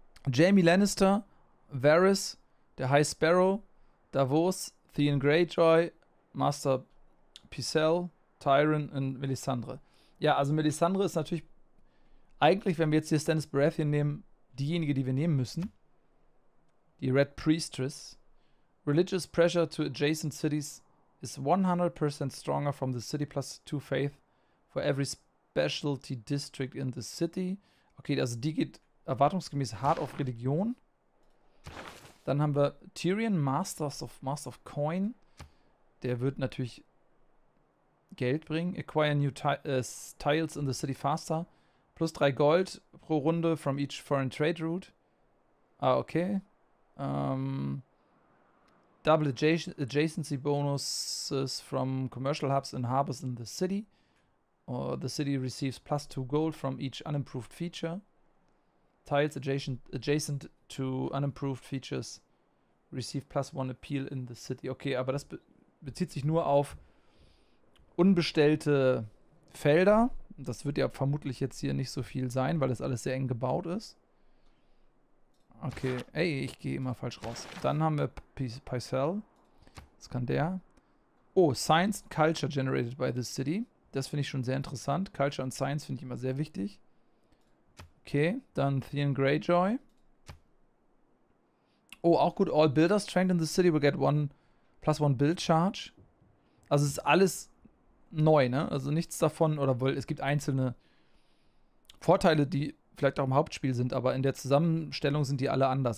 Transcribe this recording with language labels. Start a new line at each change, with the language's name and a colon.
German: Jaime Lannister, Varys, der High Sparrow, Davos, Theon Greyjoy, Master Pycelle, Tyrion und Melisandre. Ja, also Melisandre ist natürlich eigentlich, wenn wir jetzt hier Stannis Baratheon nehmen, diejenige, die wir nehmen müssen. Die Red Priestess.
English: Religious pressure to adjacent cities is 100% stronger from the city plus two faith for every specialty district in the city.
German: Okay, also die geht erwartungsgemäß hart auf Religion. Dann haben wir Tyrion, Master of Coin. Der wird natürlich Geld bringen.
English: Acquire new tiles in the city faster. Plus 3 Gold
German: pro Runde
English: from each foreign trade route. Ah, okay. Double Adjacency-Bonuses from Commercial Hubs and Harbors in the City. Or the City receives plus 2 Gold from each unimproved feature. Tiles adjacent to unimproved features receive plus 1 Appeal in the City.
German: Okay, aber das be bezieht sich nur auf unbestellte Felder. Das wird ja vermutlich jetzt hier nicht so viel sein, weil das alles sehr eng gebaut ist. Okay, ey, ich gehe immer falsch raus. Dann haben wir Pycelle. Was kann der?
English: Oh, Science and Culture generated by the city.
German: Das finde ich schon sehr interessant. Culture und Science finde ich immer sehr wichtig. Okay, dann Theon Greyjoy. Oh, auch gut.
English: All builders trained in the city will get one plus one build charge.
German: Also es ist alles neu, ne? Also nichts davon, oder wohl, es gibt einzelne Vorteile, die vielleicht auch im Hauptspiel sind, aber in der Zusammenstellung sind die alle anders.